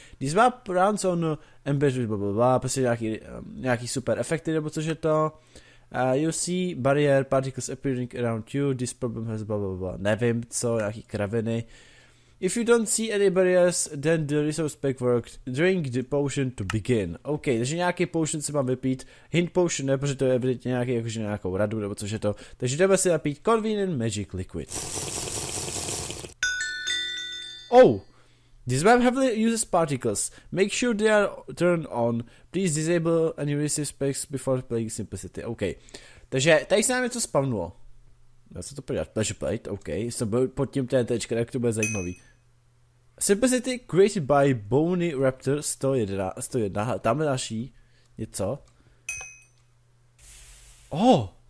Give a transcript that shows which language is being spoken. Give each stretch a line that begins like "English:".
English: This map runs on embedded blablabla,
Czech: prostě nějaký super efekty nebo což je to.
English: You see barrier particles appearing around you, this problem has blablabla.
Czech: Nevím co, nějaký kraviny.
English: If you don't see any barriers, then the resource pack worked. Drink the potion to begin.
Czech: OK, takže nějaký potion si mám vypít. Hint potion ne, protože to je evidentně nějaký, jakože nějakou radu, nebo což je to. Takže jdeme si napít Convenient Magic Liquid.
English: Oh! This map heavily uses particles. Make sure they are turned on. Please disable any resource packs before playing Simplicity. OK.
Czech: Takže tady se nám něco spawnulo. Já se to podívat, pleasure plate, ok, jsem byl pod tím TNTčka, jak to bude zajímavý.
English: Simplicity created by Bony Raptor 101,
Czech: tam je další něco. Oh!